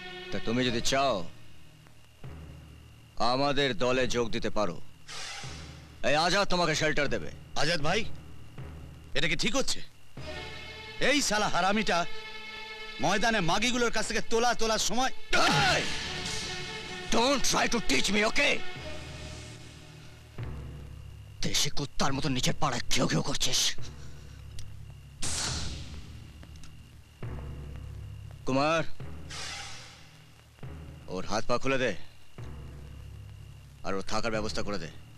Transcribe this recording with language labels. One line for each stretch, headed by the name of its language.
Bangla: তা তুমি যদি চাও আমাদের দলে যোগ দিতে পারো, এই আজাদ তোমাকে শেল্টার দেবে। আজাদ ভাই, এটা কি ঠিক হচ্ছে? এই সালা হারামিটা ময়দানে মাগিগুলোর কাছ থেকে তোলা তোলার সময়।
English: Don't try to teach me, okay?
Bangla: দেশে কুত্তার মতো নিচের পাড়ায় ঘেউ ঘেউ করছিস। কুমার, ওর হাত পা খুলে দে আর ওর থাকার ব্যবস্থা করে দে।